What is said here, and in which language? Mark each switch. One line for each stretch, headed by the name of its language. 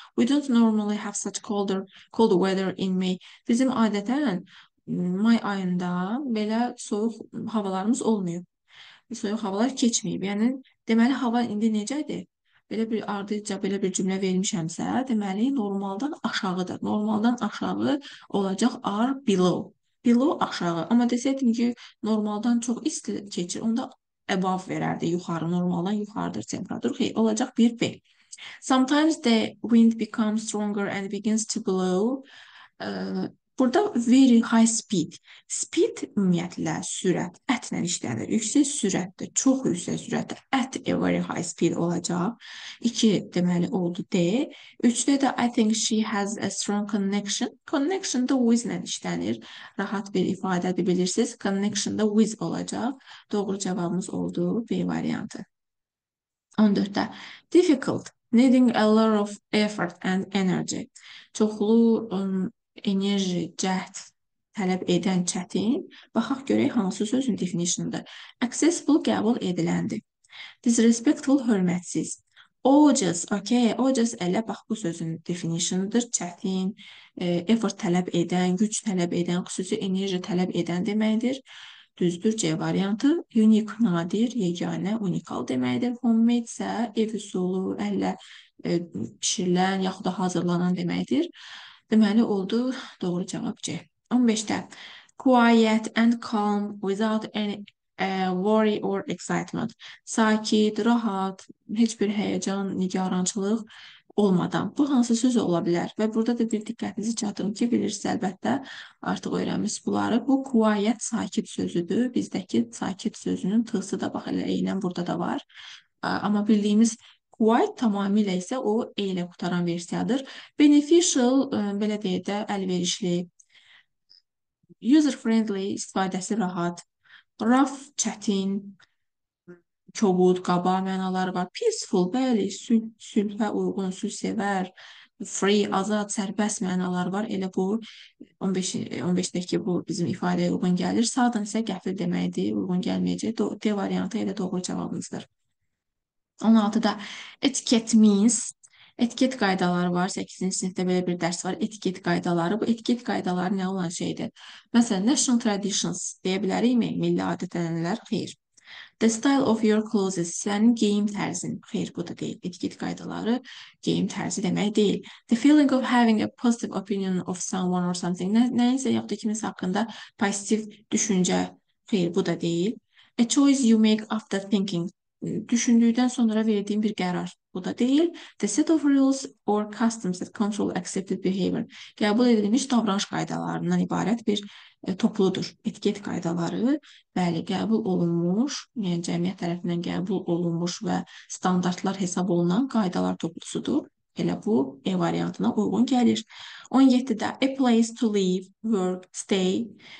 English: We don't normally have such colder weather in May.
Azerbaijani: Bizim adətən may ayında belə soyuq havalarımız olmuyor. Soyuq havalar keçməyib. Yəni, deməli, hava indi necədir? Belə bir ardıca belə bir cümlə vermişəmsə, deməli normaldan aşağıdır. Normaldan aşağı olacaq
English: are below. Below
Azerbaijani: aşağı. Amma desəydim ki, normaldan çox isti keçir, onda above verərdi. Yuxarı, normaldan yuxarıdır temperatur. Xeyr, olacaq bir B.
English: Sometimes the wind becomes stronger and begins to blow. Burada very high speed.
Azerbaijani: Speed ümumiyyətlə sürət, ətlə işlənir. Yüksək sürətdə, çox yüksək sürətdə
English: at a very high speed
Azerbaijani: olacaq. İki deməli oldu D. Üçdə də
English: I think she has a strong connection.
Azerbaijani: Connection da with ilə işlənir. Rahat bir ifadədir bilirsiniz. Connection da with olacaq. Doğru cavabımız oldu B variantı. 14-də difficult.
English: Needing a lot of effort and energy.
Azerbaijani: Çoxlu enerji, cəhd tələb edən çətin. Baxaq görək hansı sözün definitionıdır. Accessible qəbul ediləndir. Disrespectful hörmətsiz. Odious, okay, odious elə bax bu sözün definitionıdır. Çətin, effort tələb edən, güc tələb edən, xüsusi enerji tələb edən deməkdir. Düzdür, C variantı. Unique, nadir, yeganə, unikal deməkdir. Homemade isə ev üsulu, əllə pişirilən yaxud da hazırlanan deməkdir. Deməli, oldu doğru cavab C. 15-də.
English: Quiet and calm without any worry or excitement.
Azerbaijani: Sakit, rahat, heç bir həyəcan, nigarançılıq olmadan. Bu hansı söz ola bilər? Və burada da bir diqqətinizi çatdırım ki, bilirsiniz əlbəttə, artıq öyrənmişsiniz bunları. Bu quiet sakit sözüdür. Bizdəki sakit sözünün t-sı da bax elə eynən burada da var. Amma bildiyimiz White tamamilə isə o elə qurtaran versiyadır. Beneficial, belə deyək də, əlverişli. User-friendly, istifadəsi rahat. Rough, çətin. Kobud, qaba mənaları var. Peaceful, bəli, sülhə uyğun, sülhsevər. Free, azad, sərbəst mənalar var. Elə bu 15-dəki bu bizim ifadəyə uyğun gəlir. Sadın isə qəfil deməkdir, uyğun gəlməyəcək. D variantı elə doğru cavabımızdır. 16-da etiket means. Etiket qaydaları var. 8-ci sinifdə belə bir dərs var. Etiket qaydaları. Bu etiket qaydaları nə olan şeydir? Məsələn,
English: national traditions
Azerbaijani: deyə bilərikmi? Milli adət-ənənələr. Xeyr.
English: The style of your clothes,
Azerbaijani: sənin geyim tərzin. Xeyr, bu da deyil. Etiket qaydaları geyim tərzi demək deyil.
English: The feeling of having a positive opinion of someone or something.
Azerbaijani: Nəyinsə yaxud da kimisə haqqında pozitiv düşüncə. Xeyr, bu da deyil.
English: A choice you make after thinking.
Azerbaijani: Düşündüyüdən sonra verdiğin bir qərar. Bu da deyil.
English: The set of rules or customs that control accepted behavior.
Azerbaijani: Qəbul edilmiş davranış qaydalarından ibarət bir topludur. Etiket qaydaları, bəli, qəbul olunmuş, yəni cəmiyyət tərəfindən qəbul olunmuş və standartlar hesab olunan qaydalar toplusudur. Elə bu E variantına uyğun gəlir. 17-də
English: a place to live, work, stay.